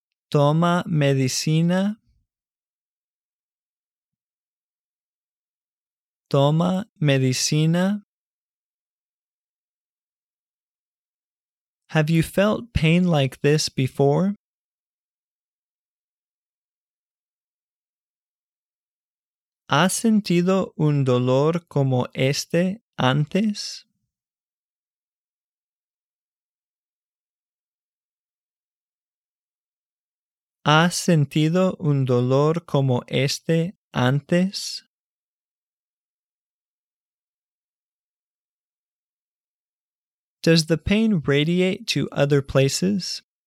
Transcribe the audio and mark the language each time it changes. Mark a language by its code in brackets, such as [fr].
[es] Toma medicina. Toma medicina. [en] Have you felt pain like this before? [es] ¿Has sentido un dolor como este antes? ¿Has sentido un dolor como este antes? [en] Does the pain radiate to other places?